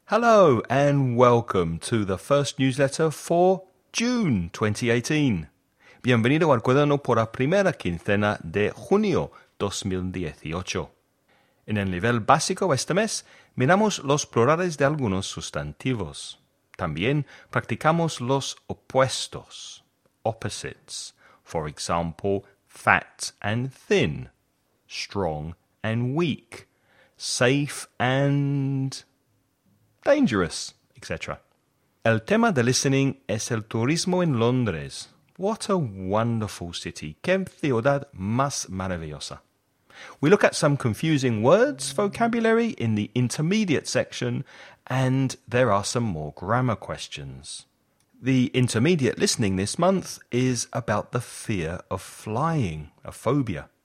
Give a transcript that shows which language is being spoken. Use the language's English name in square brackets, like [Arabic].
[English] Hello and welcome to the first newsletter for June 2018. [Spanish] Bienvenido al cuaderno por la primera quincena de junio 2018. En el nivel básico este mes, miramos los plurales de algunos sustantivos. También practicamos los opuestos, [English] opposites, for example, fat and thin, strong and weak, safe and dangerous, etc. [Spanish] El tema de listening es el turismo en Londres. [English] What a wonderful city. [Spanish] Qué ciudad más maravillosa. [English] We look at some confusing words vocabulary in the intermediate section, and there are some more grammar questions. The intermediate listening this month is about the fear of flying, a phobia.